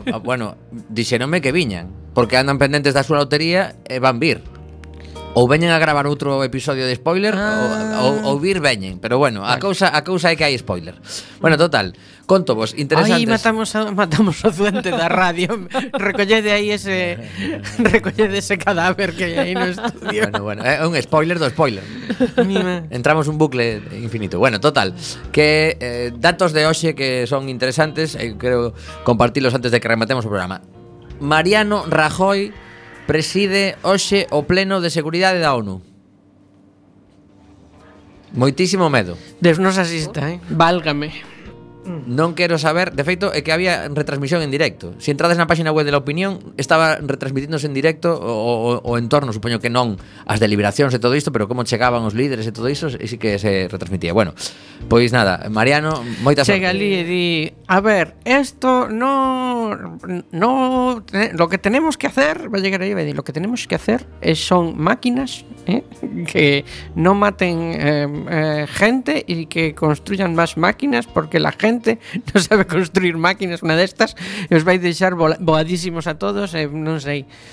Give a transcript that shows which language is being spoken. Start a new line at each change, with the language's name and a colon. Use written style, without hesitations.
Galician: Bueno, dixéronme que viñan, porque andan pendentes da súa lotería e van vir. Ou veñen a gravar outro episodio de spoiler, ou vir veñen. Pero bueno, a cousa é que hai spoiler. Bueno, total, conto vos, interesantes. Ai, matamos o duende da radio. Recollede aí ese recollede ese cadáver que hai aí no estudio. Bueno, é un spoiler do spoiler. Entramos un bucle infinito. Bueno, total, que datos de hoxe que son interesantes, creo compartilos antes de que rematemos o programa. Mariano Rajoy preside hoxe o Pleno de Seguridade da ONU. Moitísimo medo. Deus nos asista, Válgame. Non quero saber. De feito, é que había retransmisión en directo. Se entrades na páxina web de La Opinión, estaba retransmitiéndose en directo o entorno, supoño que non as deliberacións e todo isto, pero como chegaban os líderes e todo isto, e sí que se retransmitía. Bueno, pois nada, Mariano, moita sorte. Chega ali e di, a ver,
Spanish: esto no lo que tenemos que hacer, va a llegar ahí y va a decir, lo que tenemos que hacer son máquinas que no maten gente y que construyan más máquinas, porque la gente no sabe construir máquinas, una de estas, y os vais a dejar boadísimos a todos, no sé.